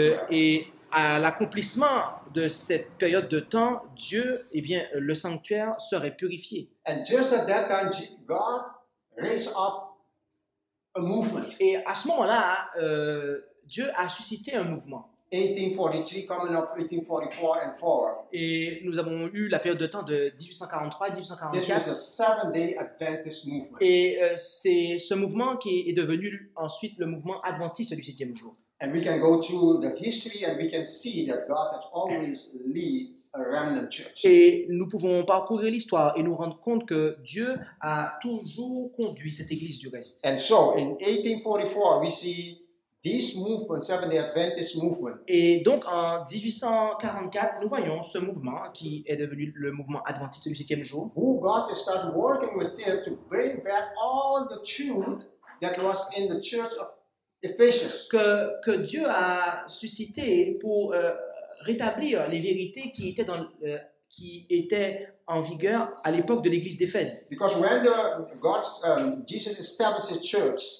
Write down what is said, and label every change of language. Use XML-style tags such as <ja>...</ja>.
<fr>Et à l'accomplissement de cette période de temps, Dieu et eh bien le sanctuaire serait purifié.</fr> <en>And just at that time God raised up a movement.</en> <fr>Et à ce moment-là, Dieu a suscité un mouvement.</fr> <en>1843 coming up 1844 and forward.</en> <fr>Et nous avons eu la période de temps de 1843-1844.</fr> <en>This was a seven-day Adventist movement.</en> <fr>Et c'est ce mouvement qui est devenu ensuite le mouvement adventiste du septième jour.</fr> <en>And we can go through the history and we can see that God has always led a remnant church.</en> <fr>Et nous pouvons parcourir l'histoire et nous rendre compte que Dieu a toujours conduit cette église du reste.</fr> <en>And so, in 1844, we see this movement, Seventh-day Adventist movement.</en> <fr>Et donc, en 1844, nous voyons ce mouvement qui est devenu le mouvement adventiste du septième jour.</fr> <en>Who God started working with him to bring back all the truth that was in the church of Ephesus.</en> <fr>Que Dieu a suscité pour rétablir les vérités qui étaient en vigueur à l'époque de l'église d'Éphèse.</fr> <en>Because when Jesus established the church.</en>